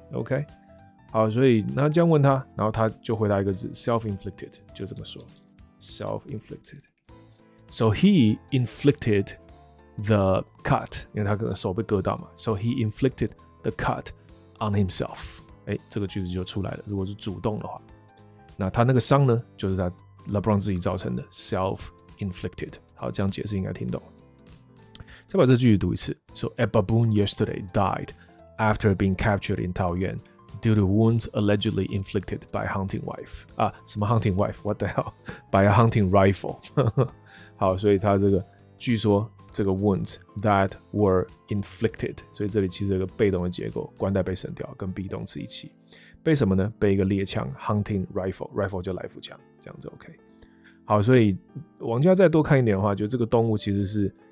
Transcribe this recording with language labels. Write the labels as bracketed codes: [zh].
[zh] Okay, 好，所以那这样问他，然后他就回答一个字 ，self-inflicted， 就这么说 ，self-inflicted. [en] So he inflicted the cut， [zh] 因为他可能手被割到嘛。 [en] So he inflicted the cut on himself. [zh] 欸，这个句子就出来了。如果是主动的话，那他那个伤呢，就是他 LeBron 自己造成的 ，self-inflicted. 好，这样解释应该听懂。再把这句读一次。 [en] So a baboon yesterday died after being captured in Taoyuan due to wounds allegedly inflicted by hunting wife. [zh] 啊，什么 hunting wife? [en] What the hell? By a hunting rifle. [zh] 好，所以他这个据说这个 wounds that were inflicted. 所以这里其实有个被动的结构，冠带被省掉，跟 be 动词一起。被什么呢？被一个猎枪 hunting rifle 就来福枪，这样子 OK。好，所以往下再多看一点的话，就这个动物其实是。